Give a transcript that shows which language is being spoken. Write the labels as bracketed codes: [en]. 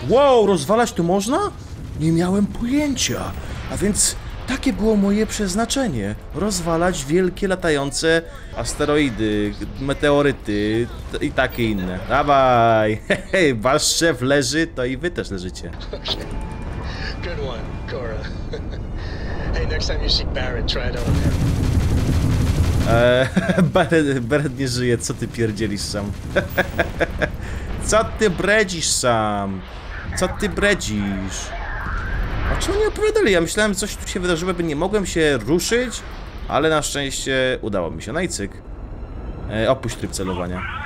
[pl] Wow, rozwalać tu można? Nie miałem pojęcia. A więc takie było moje przeznaczenie. Rozwalać wielkie latające asteroidy, meteoryty i takie inne. Dawaj, hej, wasz szef leży, to i wy też leżycie. [en] Good one, Cora. Hey, next time you see Barrett, try it on him. [pl] Barret nie żyje, co ty pierdzielisz sam? Co ty bredzisz sam? Co ty bredzisz? A czemu nie opowiadali? Ja myślałem, coś tu się wydarzyło, by nie mogłem się ruszyć. Ale na szczęście udało mi się. No i cyk. Opuść tryb celowania.